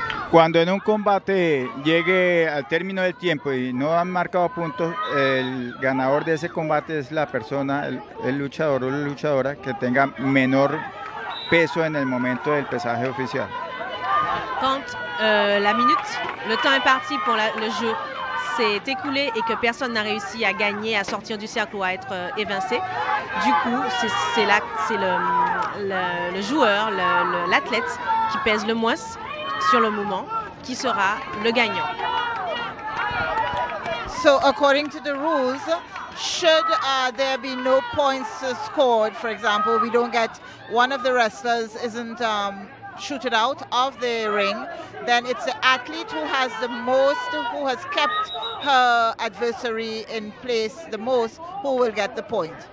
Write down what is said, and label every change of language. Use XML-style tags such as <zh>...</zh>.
<es>Cuando en un combate llegue al término del tiempo y no han marcado puntos, el ganador de ese combate es la persona, el luchador o la luchadora que tenga menor peso en el momento del pesaje oficial.</es> <fr>Quand la minute, le temps est parti pour le jeu, s'est écoulé et que personne n'a réussi à gagner, à sortir du cercle ou à être évincé, du coup, c'est le joueur, l'athlète qui pèse le moins sur le moment, qui sera le gagnant.</fr> <en>So according to the rules, should there be no points scored, for example, we don't get one of the wrestlers isn't shooted out of the ring, then it's the athlete who has the most, who has kept her adversary in place the most, who will get the point.</en>